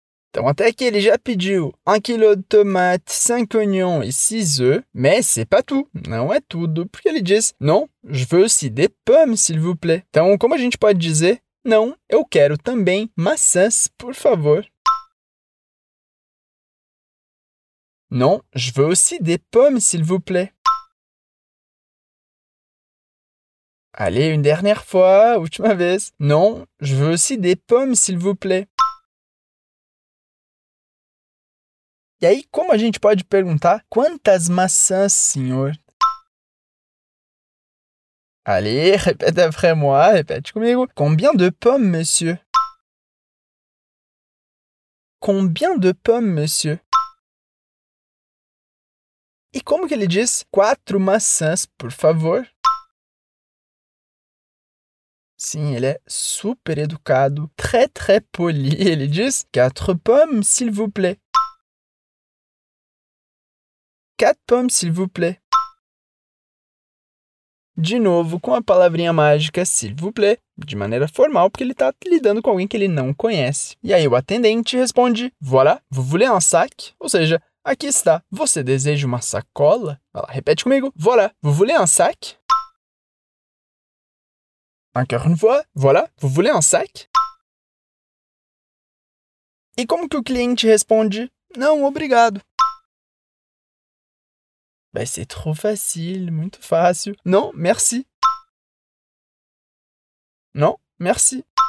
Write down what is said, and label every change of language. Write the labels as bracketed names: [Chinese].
[Portuguese] Então, até que ele já pediu 1 kg de tomate, [French] 5 oignons et 6 œufs, mais c'est pas tout, [Portuguese] não é tudo, porque ele diz [French] non, je veux aussi des pommes, s'il vous plaît. [Portuguese] Então, como a gente pode dizer não, eu quero também maçãs, por favor. [French] Non, je veux aussi des pommes, s'il vous plaît. Allez, une dernière fois, [Portuguese] última vez. [French] Non, je veux aussi des pommes, s'il vous plaît. [Portuguese] E aí, como a gente pode perguntar quantas maçãs, senhor? Allez, répète après moi, répète comigo. [French] Combien de pommes, monsieur? Combien de pommes, monsieur? [Portuguese] E como que ele diz 4 maçãs, por favor? Sim, ele é super educado, [French] très, très poli. [Portuguese] Ele diz [French] 4 pommes, s'il vous plaît. 4 pommes, s'il vous plaît. [Portuguese] De novo, com a palavrinha mágica, [French] s'il vous plaît, [Portuguese] de maneira formal, porque ele está lidando com alguém que ele não conhece. E aí o atendente responde, [French] voilà, vous voulez un sac? [Portuguese] Ou seja, aqui está, você deseja uma sacola? Vai lá, repete comigo, [French] voilà, vous voulez un sac? Encore une fois, voilà, vous voulez un sac? [Portuguese] E como que o cliente responde, não, obrigado? [French] Ben, c'est trop facile, [Portuguese] muito fácil. [French] Non, merci. Non, merci.